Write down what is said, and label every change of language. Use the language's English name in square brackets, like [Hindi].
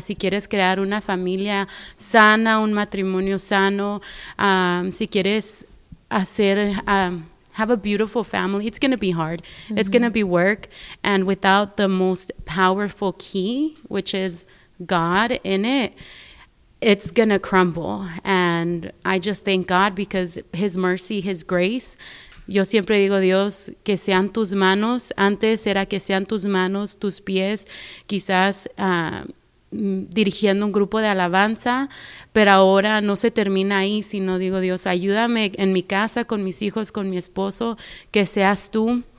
[Spanish] Si quieres crear una familia sana, un matrimonio sano, si quieres hacer... [English] have a beautiful family, it's going to be hard. Mm-hmm. It's going to be work. And without the most powerful key, which is God in it, it's going to crumble. And I just thank God because His mercy, His grace. [Spanish] Yo siempre digo, Dios, que sean tus manos. Antes era que sean tus manos, tus pies, quizás dirigiendo un grupo de alabanza, pero ahora no se termina ahí, sino digo, Dios, ayúdame en mi casa, con mis hijos, con mi esposo, que seas tú.